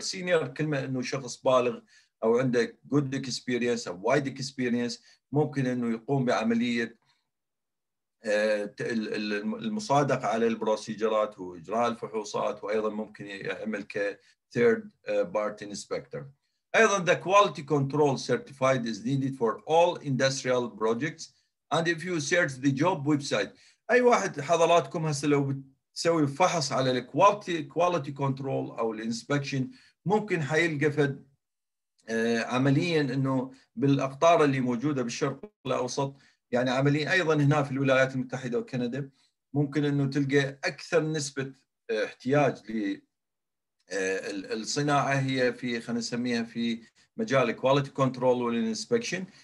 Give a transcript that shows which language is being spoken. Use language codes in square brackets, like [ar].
[ar] سينيور كلمه انه شخص بالغ او عنده جود اكسبيرينس او وايد اكسبيرينس ممكن انه يقوم بعمليه المصادقه على البروسيجرات واجراء الفحوصات وايضا ممكن يعمل ك [en] third party inspector. [ar] ايضا [en] the quality control certified is needed for all industrial projects and if you search the job website. [ar] اي واحد حضراتكم هسه لو بتسوي فحص على quality control او الانسبكشن ممكن حيلقى فد عمليا انه بالاقطار اللي موجوده بالشرق الاوسط يعني عمليا ايضا هنا في الولايات المتحده وكندا ممكن انه تلقى اكثر نسبه احتياج ل الصناعة هي في خلينا نسميها في مجال الكواليتي كنترول والانسبكشن.